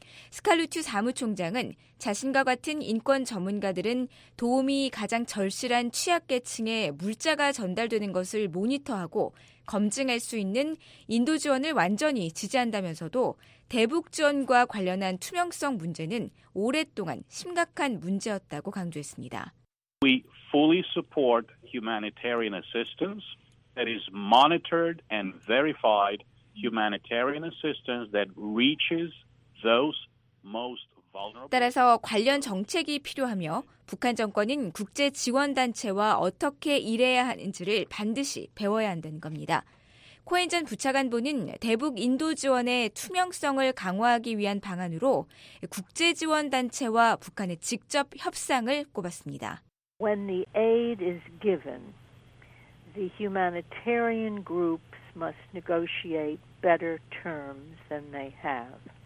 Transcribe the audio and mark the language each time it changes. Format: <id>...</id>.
<ko>스칼루튜 사무총장은 자신과 같은 인권 전문가들은 도움이 가장 절실한 취약계층에 물자가 전달되는 것을 모니터하고 검증할 수 있는 인도 지원을 완전히 지지한다면서도 대북 지원과 관련한 투명성 문제는 오랫동안 심각한 문제였다고 강조했습니다.</ko> <en>We fully support humanitarian assistance that is monitored and verified humanitarian assistance that reaches those most vulnerable.</en> <ko>따라서 관련 정책이 필요하며 북한 정권은 국제 지원 단체와 어떻게 일해야 하는지를 반드시 배워야 한다는 겁니다. 코엔 전 부차관보는 대북 인도 지원의 투명성을 강화하기 위한 방안으로 국제 지원 단체와 북한의 직접 협상을 꼽았습니다.</ko> <en>When the aid is given, the humanitarian groups must negotiate better terms than they have.</en>